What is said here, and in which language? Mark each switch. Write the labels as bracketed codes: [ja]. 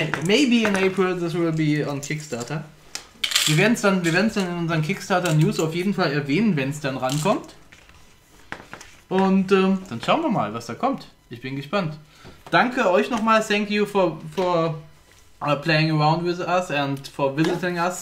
[en] Maybe in April this will be on Kickstarter. [de] Wir werden es dann in unseren Kickstarter-News auf jeden Fall erwähnen, wenn es dann rankommt. Und dann schauen wir mal, was da kommt. Ich bin gespannt. Danke euch nochmal. [en] Thank you for playing around with us and for visiting us.